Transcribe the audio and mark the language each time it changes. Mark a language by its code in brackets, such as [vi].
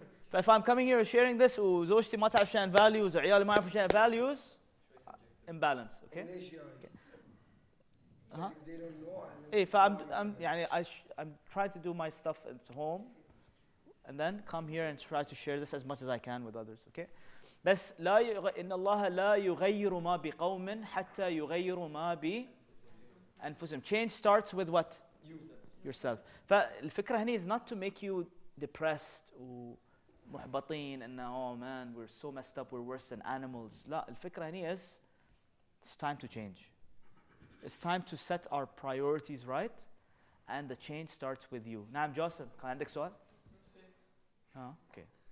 [en] But if I'm coming here sharing this, [ar] وزوجتي ما تعرف شان [en] values, [ar] وعيالي ما يعرفوا شان [en] values, imbalance. Okay? they don't know. Hey, I'm يعني I'm trying to do my stuff at home, and then come here and try to share this as much as I can with others. Okay. [ar] بس لا إن الله لا يغير ما بقوم حتى يغير ما بأنفسهم. [en] Change starts with what? Yourself. [ar] فالفكرة هني [en] is not to make you depressed [ar] و محبطين إن [en] oh man we're so messed up we're worse than animals. [ar] لا الفكرة هني [en] is it's time to change. It's time to set our priorities right, and the change starts with you. [ar] نعم جوسف كان عندك سؤال؟ [en] Okay.